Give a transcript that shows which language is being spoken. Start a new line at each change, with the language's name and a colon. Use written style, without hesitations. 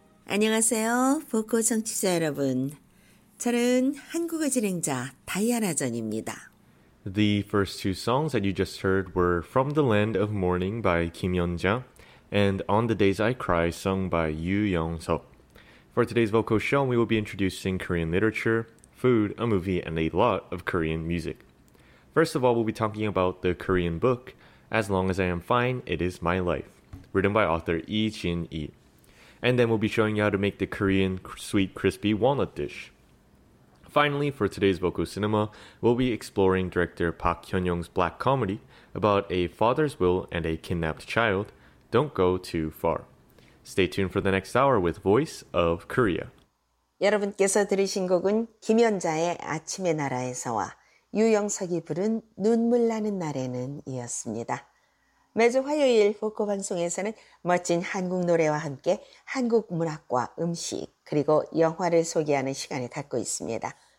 Korean: 안녕하세요, 보코 청취자 여러분. 저는 한국어 진행자 다이아나 전입니다.
English: The first two songs that you just heard were From the Land of Mourning by Kim Yeonja and On the Days I Cry sung by Yoo Young-seok. For today's vocal show, we will be introducing Korean literature, food, a movie, and a lot of Korean music. First of all, we'll be talking about the Korean book, As Long As I Am Fine, It Is My Life, written by author Lee Jin-yi. And then we'll be showing you how to make the Korean sweet crispy walnut dish. Finally, for today's Boku Cinema, we'll be exploring director Park Hyun-young's black comedy about a father's will and a kidnapped child, Don't Go Too Far. Stay tuned for the next hour with Voice of Korea.
Korean: 여러분께서 들으신 곡은 김연자의 아침의 나라에서와 유영석이 부른 눈물 나는 날에는 이었습니다. 매주 화요일 포커 방송에서는 멋진 한국 노래와 함께 한국 문학과 음식 그리고 영화를 소개하는 시간을 갖고 있습니다.